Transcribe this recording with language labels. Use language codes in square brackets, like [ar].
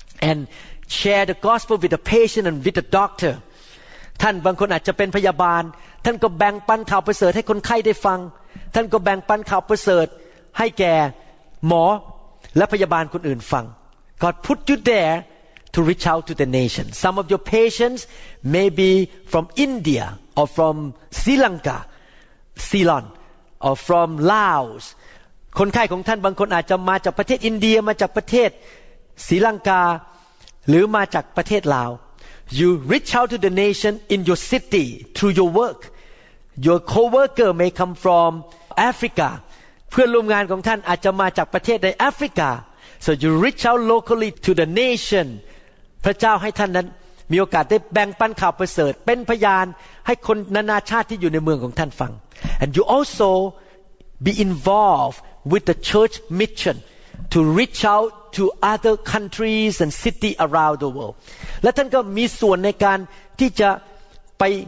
[en] andshare the gospel with the patient and with the doctor [th] ท่านบางคนอาจจะเป็นพยาบาลท่านก็แบ่งปันข่าวประเสริฐให้คนไข้ได้ฟังท่านก็แบ่งปันข่าวประเสริฐให้แก่หมอและพยาบาลคนอื่นฟัง [en] God put you there to reach out to the nation some of your patients may be from India or from Sri Lanka Ceylon or from Laos [th] คนไข้ของท่านบางคนอาจจะมาจากประเทศอินเดียมาจากประเทศศรีลังกาหรือมาจากประเทศลาว [en] you reach out to the nation in your city through your work. Your co-worker may come from Africa. [th] เพื่อนร่วมงานของท่านอาจจะมาจากประเทศในแอฟริกา [en] so you reach out locally to the nation. [th] พระเจ้าให้ท่านนั้นมีโอกาสได้แบ่งปันข่าวประเสริฐเป็นพยานให้คนนานาชาติที่อยู่ในเมืองของท่านฟัง [en] and you also be involved with the church mission to reach out to other countries and cities around the world [th] และท่านก็มีส่วนในการที่จะไป